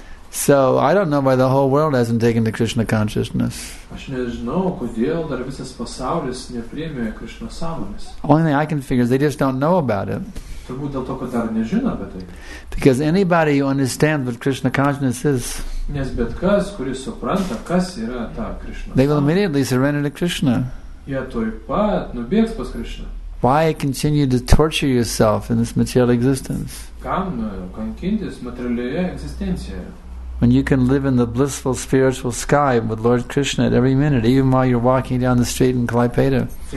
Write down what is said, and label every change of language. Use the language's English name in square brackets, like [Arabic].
[English] So, I don't know why the whole world hasn't taken to Krishna consciousness. Only thing I can figure is they just don't know about it. [Lithuanian] Turbūt dėl to, kad dar nežino apie tai. [English] Because anybody who understands what Krishna consciousness is, [Lithuanian] nes bet kas, kuris supranta, kas yra ta Krishna, [English] they will immediately surrender to Krishna. [Lithuanian] Jie tuoj pat nubėgs pas Krishna. [English] Why continue to torture yourself in this material existence? [Lithuanian] Kam kankintis materialioje egzistencijoje? [English] When you can live in the blissful spiritual sky with Lord Krishna at every minute, even while you're walking down the street in Klaipėda.